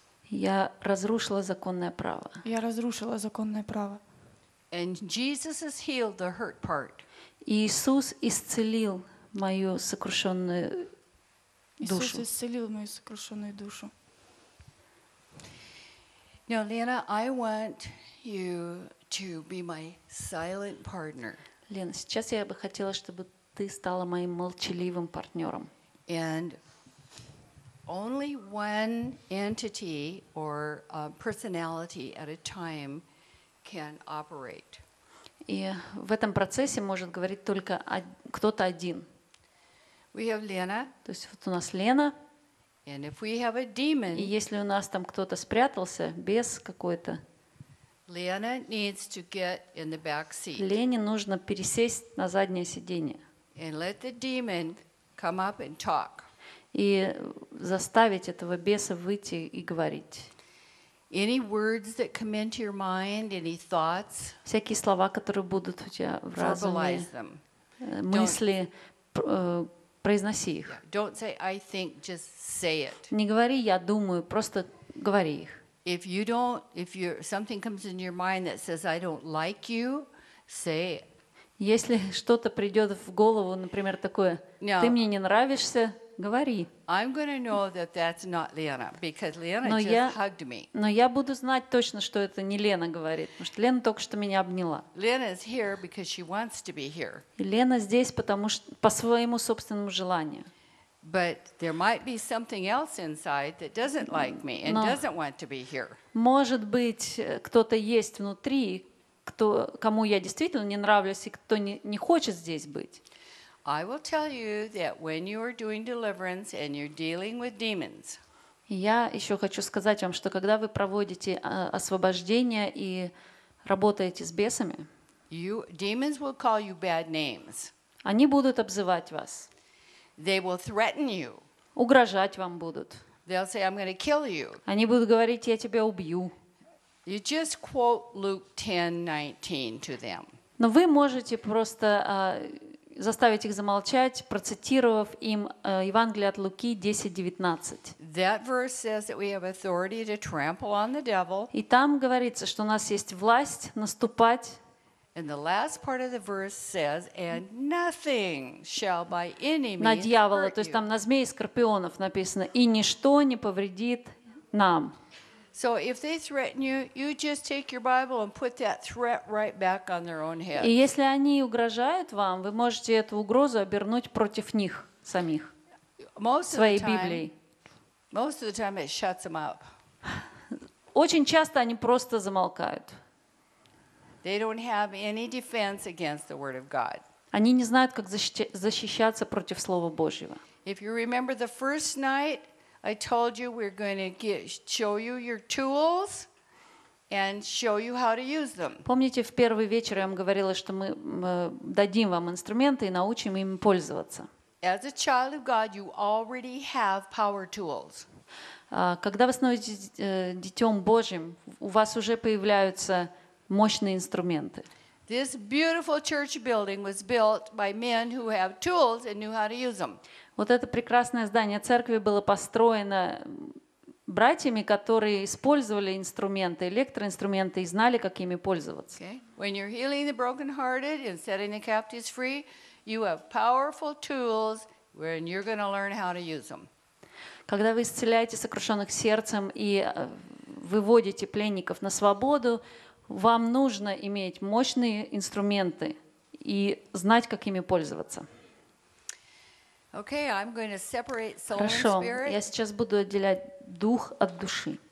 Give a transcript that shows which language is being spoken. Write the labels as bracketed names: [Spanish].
[Russian] Я разрушила законное право. Я разрушила законное право. [English] And Jesus has healed the hurt part. [Russian] Иисус исцелил мою сокрушённую душу. Иисус исцелил мою сокрушённую душу. [English] Now, Lena, I want you to be my silent partner. [Russian] Лена, сейчас я бы хотела, чтобы ты стала моим молчаливым партнёром. [English] And only one entity or personality at a time can operate. [Russian] И в этом процессе может говорить только кто-то один. [English] We have Lena. [Russian] То есть вот у нас Лена. [English] And if we have a demon. [Russian] И если у нас там кто-то спрятался, бес какой-то. [English] Lena needs to get in the back seat. [Russian] Лене нужно пересесть на заднее сиденье. [English] And let the demon come up and talk. [Russian] И заставить этого беса выйти и говорить. [English] Any words that come into your mind, any thoughts, [Russian] всякие слова, которые будут у тебя в разуме, мысли, произноси их. [English] Don't say, I think, just say it. [Russian] Не говори «я думаю», просто говори их. [English] If you don't, if you something comes in your mind that says I don't like you, say it. [Russian] Если что-то придёт в голову, например, такое: "Ты мне не нравишься", говори. [English] I'm going to know that that's not Lena because Lena just hugged me. [Russian] Но я буду знать точно, что это не Лена говорит, потому что Лена только что меня обняла. [English] Lena is here because she wants to be here. [Russian] Лена здесь потому что по своему собственному желанию. [English] But there might be something else inside that doesn't like me and doesn't want to be here. [Russian] Может быть, кто-то есть внутри, кто кому я действительно не нравлюсь и кто не хочет здесь быть. [English] I will tell you that when you are doing deliverance and you're dealing with demons. [Russian] Я ещё хочу сказать вам, что когда вы проводите освобождение и работаете с бесами, [English] demons will call you bad names. [Russian] Они будут обзывать вас. [English] They will threaten you. [Russian] Угрожать вам будут. [English] They'll say I'm going to kill you. [Russian] Они будут говорить: "Я тебя убью". [English] You just quote Luke 10:19 to them. [Russian] Но вы можете просто заставить их замолчать, процитировав им Евангелие от Луки 10:19. И там говорится, что у нас есть власть наступать на дьявола, то есть там на змей и скорпионов написано, и ничто не повредит нам. [English] So if they threaten you, you just take your Bible and put that threat right back on their own head. [Russian] И если они угрожают вам, вы можете эту угрозу обернуть против них самих. Своей Библией. [English] Most of the time it shuts them up. [Russian] Очень часто они просто замолкают. [English] They don't have any defense against the word of God. [Russian] Они не знают, как защищаться против слова Божьего. [English] If you remember the first night I told you we're going to show you your tools and show you how to use them. [Russian] Помните, в первый вечер я вам говорила, что мы дадим вам инструменты и научим им пользоваться. [English] As a child of God, you already have power tools. [Russian] Когда вы становитесь детём Божьим, у вас уже появляются мощные инструменты. [English] This beautiful church building was built by men who have tools and knew how to use them. [Russian] Вот это прекрасное здание церкви было построено братьями, которые использовали инструменты, электроинструменты и знали, как ими пользоваться. [English] When you're healing the brokenhearted and setting the captives free, you have powerful tools when you're going to learn how to use them. [Russian] Когда вы исцеляете сокрушённых сердцем и выводите пленников на свободу, вам нужно иметь мощные инструменты и знать, как ими пользоваться. [English] Okay, I'm going to separate soul and spirit. [Russian] Хорошо. Я сейчас буду отделять дух от души.